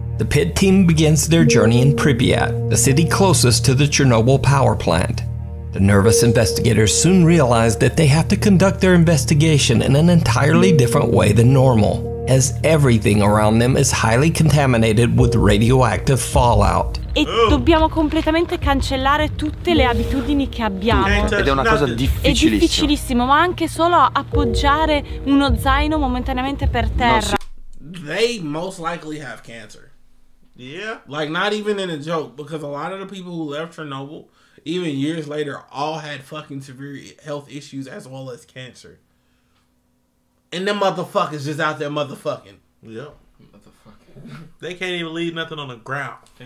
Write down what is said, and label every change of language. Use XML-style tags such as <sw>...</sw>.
<en>The PIT team begins their journey in Pripyat, the city closest to the Chernobyl power plant. The nervous investigators soon realize that they have to conduct their investigation in an entirely different way than normal, as everything around them is highly contaminated with radioactive fallout.</en> <it>E dobbiamo completamente cancellare tutte le abitudini che abbiamo. Ed è una cosa difficilissima. È difficilissimo, ma anche solo appoggiare uno zaino momentaneamente per terra.</it> <en>They most likely have cancer. Yeah. Like, not even in a joke, because a lot of the people who left Chernobyl, even years later, all had fucking severe health issues as well as cancer. And them motherfuckers just out there motherfucking. Yep. They can't even leave nothing on the ground.</en>